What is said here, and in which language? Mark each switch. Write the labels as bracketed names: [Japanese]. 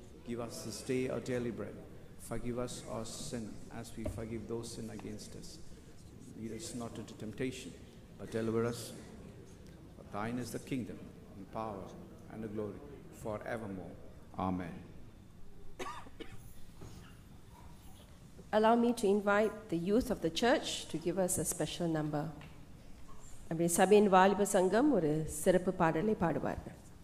[English] Give us this day our daily bread. Forgive us our sin as we forgive those sin against us. Lead us not into temptation, but deliver us. Thine is the kingdom and power and glory for ever more. Amen. Allow me to invite the youth of the church to give us a special number. [Tamil] அப்படி சபையின் வாலிப சங்கம் ஒரு சிறப்பு பாடலை பாடுவார்கள்.